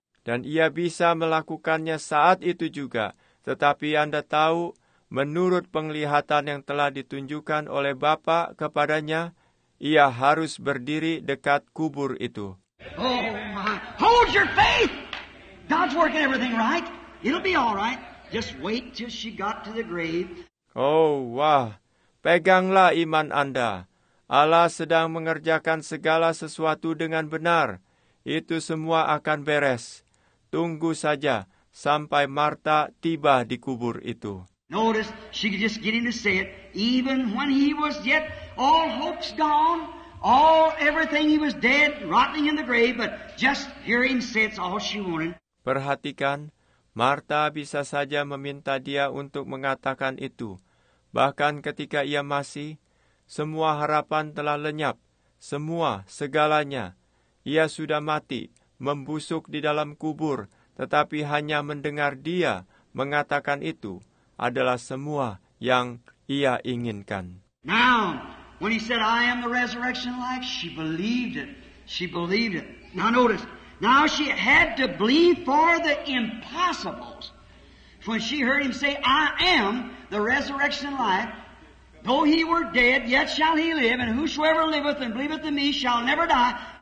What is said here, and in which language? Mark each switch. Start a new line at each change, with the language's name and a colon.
Indonesian: Dan ia bisa melakukannya saat itu juga. Tetapi Anda tahu, menurut penglihatan yang telah ditunjukkan oleh Bapa kepadanya, ia harus berdiri dekat kubur itu.
English: Oh my, hold your faith. God's working everything right. It'll be all right. Just wait till she got to the grave.
Indonesian: Oh, wah. Peganglah iman Anda. Allah sedang mengerjakan segala sesuatu dengan benar. Itu semua akan beres. Tunggu saja sampai Martha tiba di kubur itu.
English: Notice, she could just get him to say it. Even when he was yet all hopes gone, all everything he was dead, rotting in the grave, but just hear him say it's all she wanted.
Indonesian: Perhatikan, Martha bisa saja meminta dia untuk mengatakan itu. Bahkan ketika ia masih, semua harapan telah lenyap, semua, segalanya. Ia sudah mati, membusuk di dalam kubur, tetapi hanya mendengar dia mengatakan itu adalah semua yang ia inginkan.
English: Now, when he said, I am the resurrection life, she believed it. She believed it. Now notice, now she had to believe for the impossibles. When she heard him say, I am the resurrection life, though he were dead, yet shall he live, and whosoever liveth and believeth in me shall never die.